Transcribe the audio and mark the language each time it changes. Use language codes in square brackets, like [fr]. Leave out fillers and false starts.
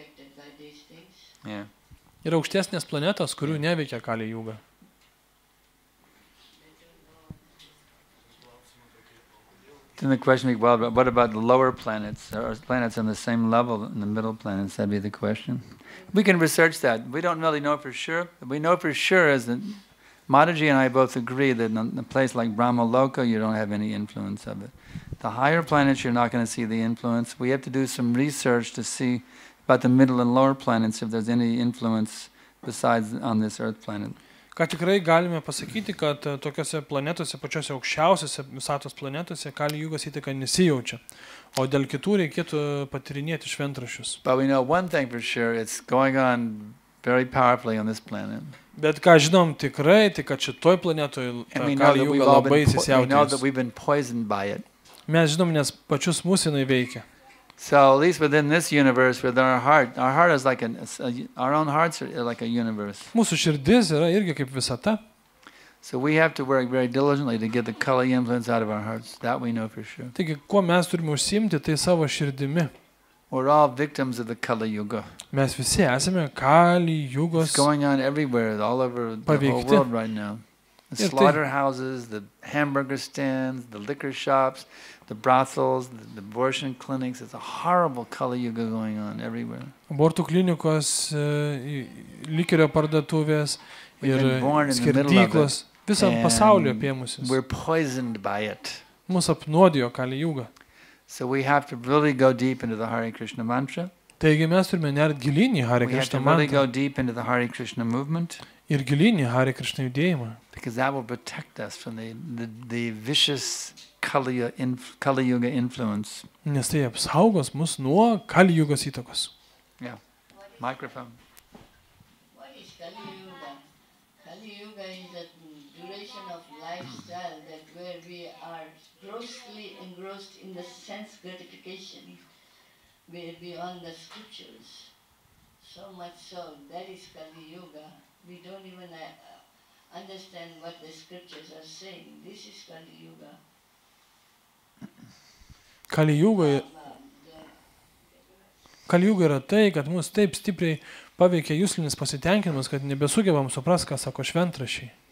[lt] Yra aukštesnės planetos, kurių neveikia Kali Yuga. [en] Then the question is, well, what about the lower planets? Are planets on the same level in the middle planets? That'd be the question. We can research that. We don't really know for sure. We know for sure is that Mataji and I both agree that in a place like Brahma Loka, you don't have any influence of it. The higher planets, you're not going to see the influence. We have to do some research to see about the middle and lower planets if there's any influence besides on this earth planet. [lt] Ką tikrai galime pasakyti, kad tokiose planetose, pačiose aukščiausiose visatos planetose, Kali Jugos įtaka nesijaučia. O dėl kitų reikėtų patyrinėti šventrašius. [en] But we know one thing for sure, it's going on very powerfully on this planet. [lt] Bet ką žinom tikrai, tai kad šitoj planetoje Kali Juga labai įsisiautėjusi. Mes žinom, nes pačius mūsinai veikia. [en] So at least within this universe with our heart is like our own hearts are like a universe. [lt] Mūsų širdis yra irgi kaip visata. [en] So we have to work very diligently to get the Kali influence out of our hearts. That we know for sure. [lt] Taigi, kuo mes turime užsiimti, tai savo širdimi. [en] We're all victims of the Kali Yuga. [lt] Mes visi esame Kali Jugos. [en] It's going on everywhere, all over [lt] paveikti. [en] The whole world right now. The slaughterhouses, the hamburger stands, the liquor shops, the brothels, the abortion clinics, it's a horrible Kali Yuga going on everywhere. [lt] Abortų klinikos, likerio parduotuvės ir skerdyklos, visam pasaulyje apėmusios. [en] We're poisoned by it. [lt] Mus apnuodijo Kali Yuga. [en] So we have to really go deep into the Hare Krishna mantra. [lt] Taigi mes turime nert gilyn į Hare Krishna mantą. Ir gilyn į Hare Krishna judėjimą. [en] Because that will protect us from the vicious Kali Yuga influence. [lt] Nes tai apsaugos mus nuo Kali Yugos įtakos. [en] Yeah. Microphone. What is Kali Yuga? Kali Yuga is a duration of lifestyle that where we are grossly engrossed in the sense gratification beyond the scriptures. So much so, that is Kali Yuga. We don't even understand what the scriptures are saying. This is Kali Yuga. [lt] Kali Yuga yra tai, kad mus taip stipriai paveikia juslinis pasitenkinimas, kad nebesugebam suprasti, ką sako šventrašiai.